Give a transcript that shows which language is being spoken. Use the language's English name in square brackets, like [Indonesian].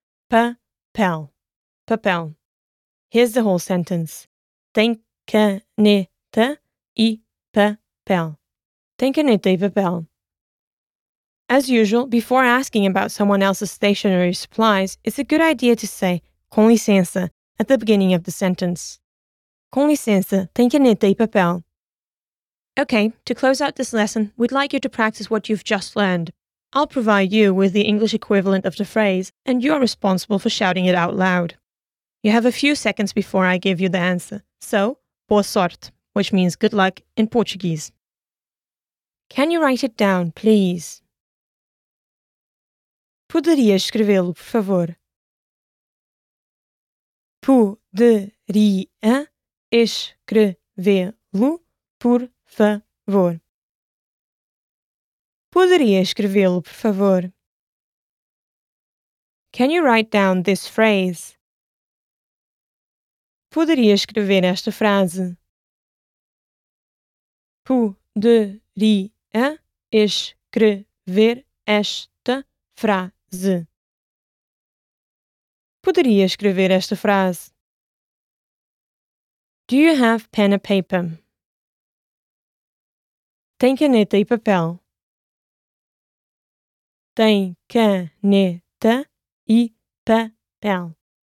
[English] Papel. Papel. Here's the whole sentence. [Portuguese] Tem caneta e papel. Tem caneta e papel. [English] As usual, before asking about someone else's stationery supplies, it's a good idea to say, [Portuguese] com licença, [English] at the beginning of the sentence. [Portuguese] Com licença, tem caneta e papel. [English] Okay, to close out this lesson, we'd like you to practice what you've just learned. I'll provide you with the English equivalent of the phrase, and you're responsible for shouting it out loud. You have a few seconds before I give you the answer. So, [Portuguese] boa sorte, [English] which means good luck in Portuguese. Can you write it down, please? [Portuguese] Poderia escrevê-lo, por favor? Poderia escrevê-lo, por favor. Poderia escrevê-lo, por favor. [English] Can you write down this phrase? [Portuguese] Poderia escrever esta frase? Poderia escrever esta frase? Poderia escrever esta frase? [English] Do you have pen or paper? [Portuguese] Tem caneta e papel. Tem caneta e papel.